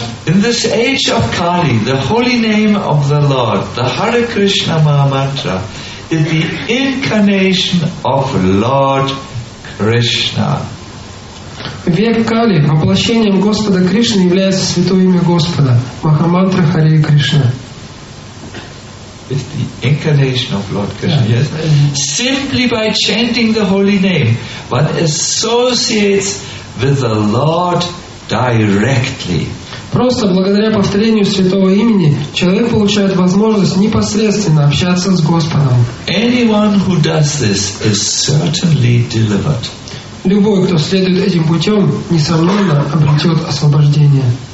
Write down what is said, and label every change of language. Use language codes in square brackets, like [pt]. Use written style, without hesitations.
[en] In this age of Kali, the holy name of the Lord, the Hare Krishna Mahamantra, is the incarnation of Lord Krishna. [ru] Век Кали, воплощением Господа Кришны является святое имя Господа, Махамантра Харе Кришна. [en] It's the incarnation of Lord Krishna. Yeah. Yes. Simply by chanting the holy name, one associates with the Lord directly. [ru] Просто благодаря повторению святого имени человек получает возможность непосредственно общаться с Господом. [en] Anyone who does this is certainly delivered. [ru] Любой, кто следует этим путем, несомненно обретет освобождение.